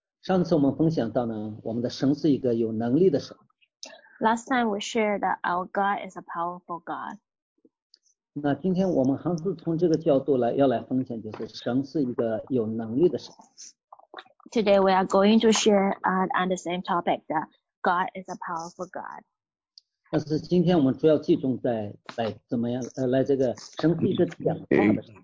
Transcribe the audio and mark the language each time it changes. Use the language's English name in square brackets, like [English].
[Chinese] 上次我们分享到呢，我们的神是一个有能力的神。 [English] Last time we shared that our God is a powerful God. [Chinese] 那今天我们还是从这个角度来，要来分享，就是神是一个有能力的神。 [English] Today we are going to share on the same topic that God is a powerful God. [Chinese] 但是今天我们主要集中在来怎么样来这个神是一个讲话的神。